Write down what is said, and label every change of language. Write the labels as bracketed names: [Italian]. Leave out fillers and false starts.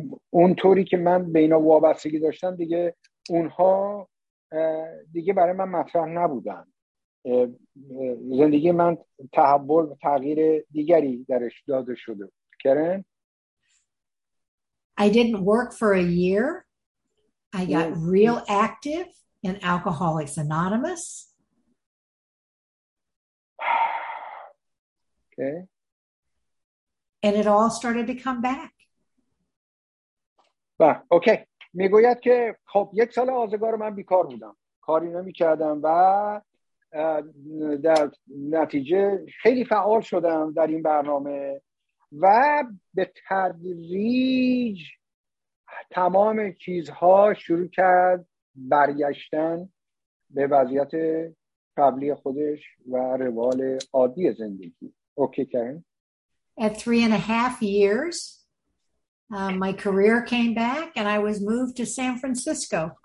[Persian] اون طوری که من به اینا وابستگی داشتم دیگه اونها دیگه برای من مطرح نبودن. زندگی من تحول و تغییر دیگری درش داده شده. کرن؟ [English] I didn't work for a year. I got real active in Alcoholics Anonymous. Okay. And it all started to come back. Bah, okay. [Persian] میگوید که خب یک سال آزگار من بیکار بودم. کاری نمی‌کردم و در نتیجه خیلی فعال شدم در این برنامه و به تدریج تمام چیزها شروع کرد برگشتن به وضعیت قبلی خودش و روال عادی زندگی. [English] Okay کردن؟ At 3.5 years, my career came back and I was moved to San Francisco.